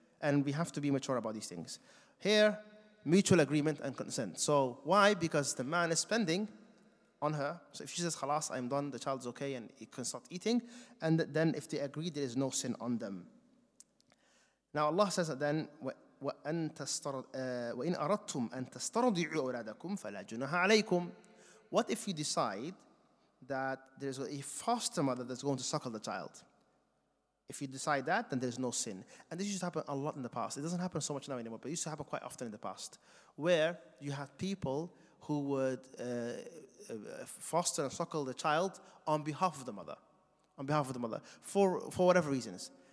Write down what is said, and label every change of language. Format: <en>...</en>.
<en>And we have to be mature about these things. Here, mutual agreement and consent. So why? Because the man is spending on her. So if she says, khalas, I'm done, the child's okay, and he can start eating. And then if they agree, there is no sin on them. Now Allah says that then,</en> <ar>وَإِنْ أَرَدْتُمْ أَن تَسْتَرَضِعُوا أَوْلَادَكُمْ فَلَا جُنَهَا عَلَيْكُمْ.</ar> <en>What if you decide that there's a foster mother that's going to suckle the child? If you decide that, then there's no sin. And this used to happen a lot in the past. It doesn't happen so much now anymore, but it used to happen quite often in the past, where you had people who would foster and suckle the child on behalf of the mother, for whatever reasons.</en>